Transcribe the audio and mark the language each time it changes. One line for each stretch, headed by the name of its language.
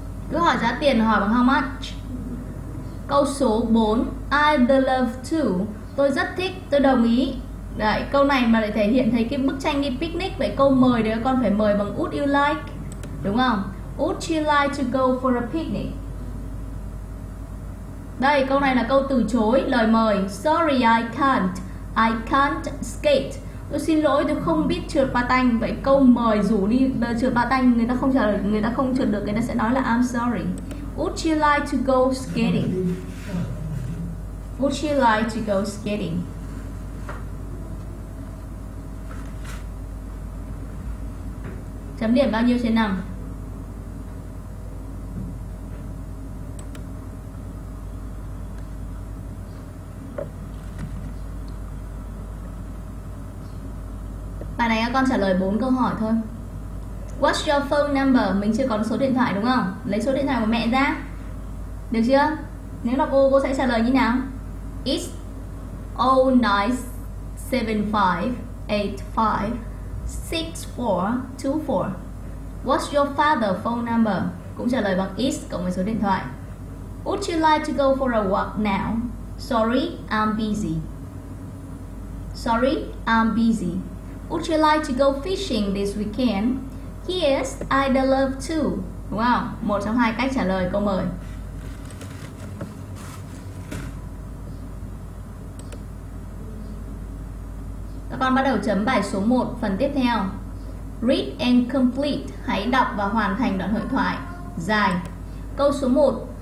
Vietnamese: Cứ hỏi giá tiền, hỏi bằng
English: how much.
Vietnamese: Câu số 4.
English: I'd love to.
Vietnamese: Tôi rất thích, tôi đồng ý. Đấy, câu này mà lại thể hiện thấy cái bức tranh đi picnic. Vậy câu mời đấy con phải mời bằng
English: would you like,
Vietnamese: đúng không?
English: Would you like to go for a picnic?
Vietnamese: Đây, câu này là câu từ chối, lời mời.
English: Sorry, I can't. I can't skate.
Vietnamese: Tôi xin lỗi, tôi không biết trượt ba tanh. Vậy câu mời rủ đi trượt ba tanh, người ta không trả lời, người ta không trượt được, người ta sẽ nói là
English: I'm sorry. Would you like to go skating? Would you like to go skating?
Vietnamese: Chấm điểm bao nhiêu trên 5? Bài này các con trả lời 4 câu hỏi thôi.
English: What's your phone number?
Vietnamese: Mình chưa có số điện thoại đúng không? Lấy số điện thoại của mẹ ra. Được chưa? Nếu là cô sẽ trả lời như nào?
English: It's 09758564. What's your father's phone number?
Vietnamese: Cũng trả lời bằng is cộng với số điện thoại.
English: Would you like to go for a walk now? Sorry, I'm busy. Sorry, I'm busy. Would you like to go fishing this weekend? Yes, I'd love to.
Vietnamese: Đúng không? Một trong hai cách trả lời câu mời. Các con bắt đầu chấm bài số 1 phần tiếp theo.
English: Read and complete.
Vietnamese: Hãy đọc và hoàn thành đoạn hội thoại dài. Câu số 1.